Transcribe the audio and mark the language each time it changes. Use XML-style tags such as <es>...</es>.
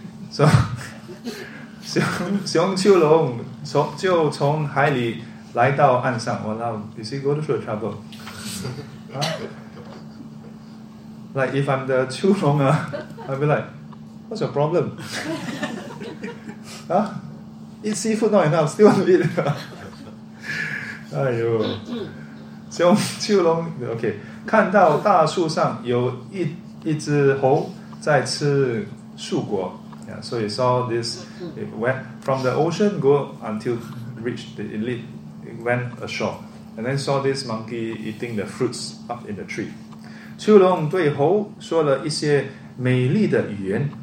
<zh>So, 熊秋龙就从海里来到岸上</zh> <en>you see, go through the trouble. Like, if I'm the 秋龙, I'll be like, what's your problem? Eat seafood not enough, still want to eat.</en> <zh>哎呦, 秋龙, okay, 看到大树上有 一只猴在吃树果。</zh> <en>Yeah, so you saw this, it went from the ocean, go until reached the elite, it went ashore. And then saw this monkey eating the fruits up in the tree.</en> <zh>秋龙对猴说了一些美丽的语言。</zh>